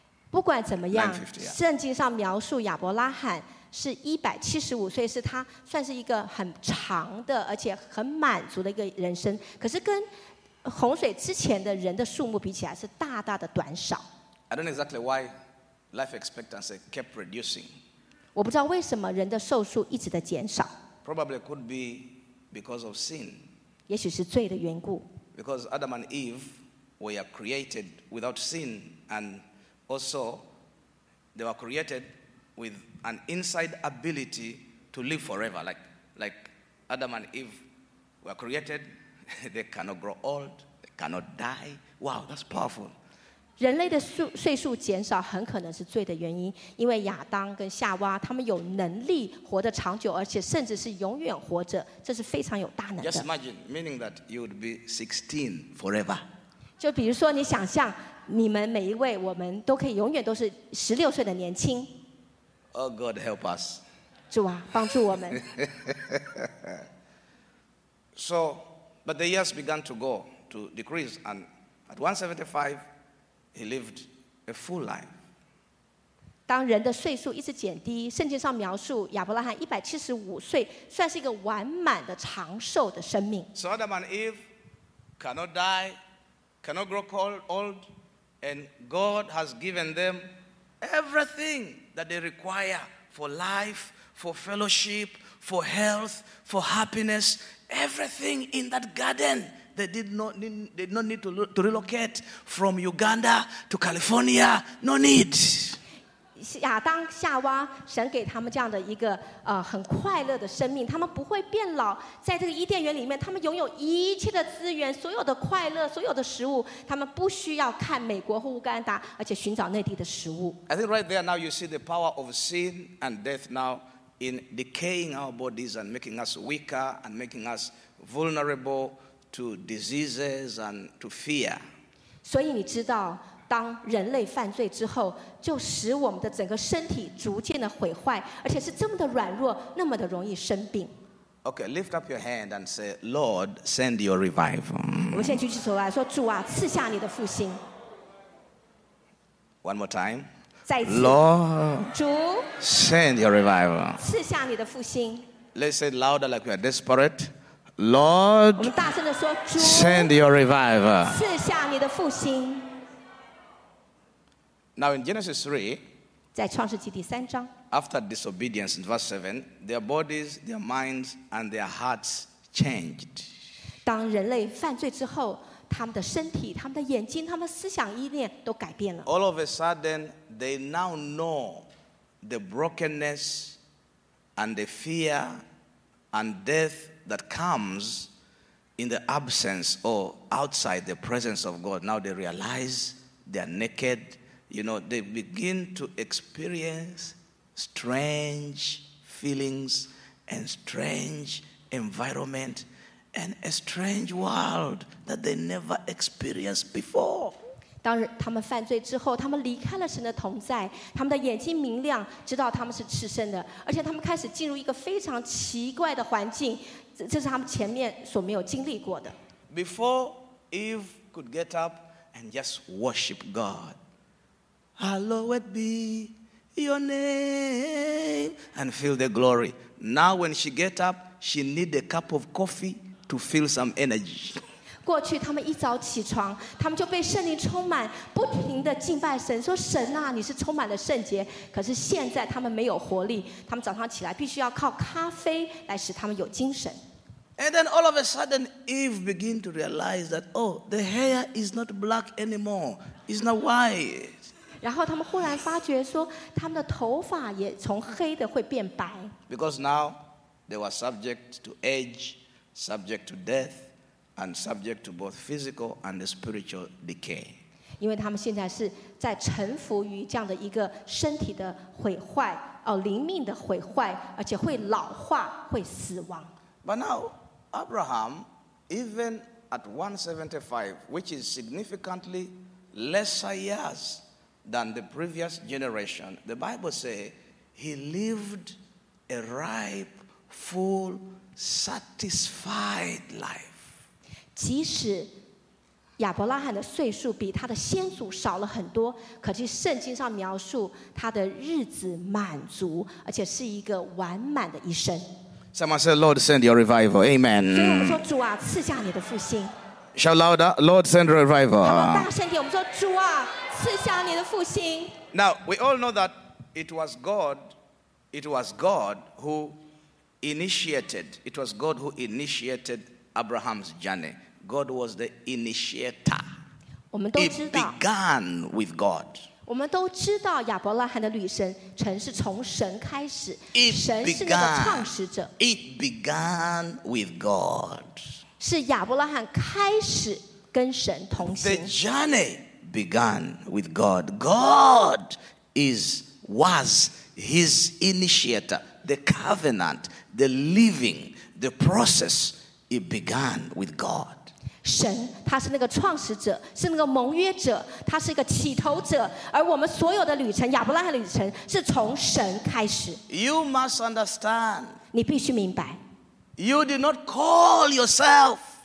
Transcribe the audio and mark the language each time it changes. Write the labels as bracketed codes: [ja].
[zh] 不管怎么样，圣经上描述亚伯拉罕是175岁，是他算是一个很长的，而且很满足的一个人生。可是跟洪水之前的人的数目比起来，是大大的短少。 [en] I don't know exactly why life expectancy kept reducing. [zh] 我不知道为什么人的寿数一直在减少。 [en] Probably could be because of sin. [zh] 也许是罪的缘故。 [en] Because Adam and Eve were created without sin, and also they were created with an inside ability to live forever. Like Adam and Eve were created, they cannot grow old, they cannot die. Wow, that's powerful. [zh] 人类的岁数减少很可能是罪的原因，因为亚当跟夏娃他们有能力活得长久，而且甚至是永远活着，这是非常有大能的。 [en] Just imagine, meaning that you would be 16 forever. [zh] 就比如说你想象你们每一位，我们都可以永远都是16岁的年轻。 [en] Oh God help us. [zh] 主啊，帮助我们。 [en] So, but the years began to go to decrease, and at 175,He lived a full life. [zh] 当人的岁数一直减低，圣经上描述亚伯拉罕175岁，算是一个完满的长寿的生命。 [en] So Adam and Eve cannot die, cannot grow old, and God has given them everything that they require for life, for fellowship, for health, for happiness. Everything in that garden. They did not need to relocate from Uganda to California. No need. [zh] 亚当夏娃，神给他们这样的一个很快乐的生命，他们不会变老。在这个伊甸园里面，他们拥有一切的资源，所有的快乐，所有的食物，他们不需要看美国或乌干达，而且寻找内地的食物。 [en] I think right there now you see the power of sin and death now in decaying our bodies and making us weaker and making us vulnerable. To diseases and to fear. [zh] 所以你知道，当人类犯罪之后，就使我们的整个身体逐渐的毁坏，而且是这么的软弱，那么的容易生病。 [en] Okay, lift up your hand and say, Lord, send your revival. [zh] 我们先举起手来说，主啊，赐下你的复兴。 [en] One more time. [zh] 再一次。 [en] Lord, [zh] 主 [en] send your revival. [zh] 赐下你的复兴。 [en] Let's say louder, like we are desperate. Lord, [zh] 我们大声地说, 主, [en] send your revival. [zh] 赐下你的复兴。 [en] Now in Genesis 3, [zh] 在创世纪第三章, [en] after disobedience in verse 7, their bodies, their minds, and their hearts changed. [zh] 当人类犯罪之后, 他们的身体, 他们的眼睛, 他们的思想意念都改变了。 [en] All of a sudden, they now know the brokenness and the fear and deathThat comes in the absence or outside the presence of God. Now they realize they are naked. You know, they begin to experience strange feelings and strange environment and a strange world that they never experienced before. [zh] 当他们犯罪之后，他们离开了神的同在，他们的眼睛明亮，知道他们是赤身的，而且他们开始进入一个非常奇怪的环境，这是他们前面所没有经历过的。 [en] Before Eve could get up and just worship God, Hallowed be your name, and feel the glory. Now when she get up, she need a cup of coffee to feel some energy. [zh] 过去他们一早起床，他们就被圣灵充满，不停地敬拜神，说神啊，你是充满了圣洁。可是现在他们没有活力，他们早上起来必须要靠咖啡来使他们有精神。 [en] And then all of a sudden, Eve began to realize that, oh, the hair is not black anymore. It's not white. [zh] 然后他们忽然发觉说，他们的头发也从黑的会变白。 [en] Because now they were subject to age, subject to death, and subject to both physical and spiritual decay. [zh] 因为他们现在是在臣服于这样的一个身体的毁坏，哦，灵命的毁坏，而且会老化，会死亡。 [en] But now, Abraham, even at 175, which is significantly lesser years than the previous generation, the Bible says he lived a ripe, full, satisfied life. [zh] 即使亚伯拉罕的岁数比他的先祖少了很多，可是圣经上描述他的日子满足，而且是一个完满的一生。 [en] Someone said, Lord, send your revival. Amen. Shout louder, Lord, send your revival. Now, we all know that it was God who initiated Abraham's journey. God was the initiator. It began with God. [zh] 我们都知道亚伯拉罕的旅程曾是从神开始，神是那个创始者。 [en] It began with God. [zh] 是亚伯拉罕开始跟神同行。 [en] The journey began with God. God was his initiator, the covenant, the living, the process. It began with God. [zh] 神他是那个创始者，是那个盟约者，他是一个起头者，而我们所有的旅程，亚伯拉罕的旅程是从神开始。 [en] You must understand, [zh] 你必须明白， [en] You did not call yourself,